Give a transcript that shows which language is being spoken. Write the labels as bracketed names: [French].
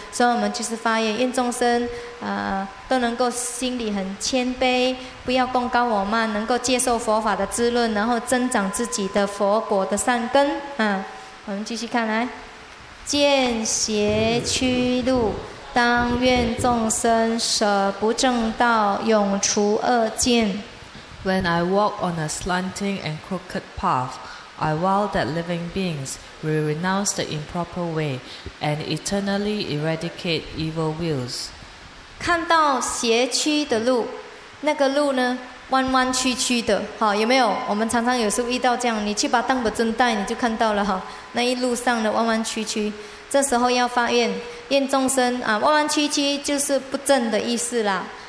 [Chinese] 所以我们就是发愿，愿众生都能够心里很谦卑，不要共高我慢，能够接受佛法的滋润，然后增长自己的佛果的善根。我们继续看来，见邪趋路，当愿众生舍不正道，永除恶见。 [English] When I walk on a slanting and crooked path, I vow that living beings will renounce the improper way and eternally eradicate evil wills. [Chinese] 看到斜曲的路，那个路呢弯弯曲曲的，好，有没有？我们常常有时候遇到这样，你去把当本真带你就看到了哈，那一路上的弯弯曲曲，这时候要发愿，愿众生啊，弯弯曲曲就是不正的意思啦，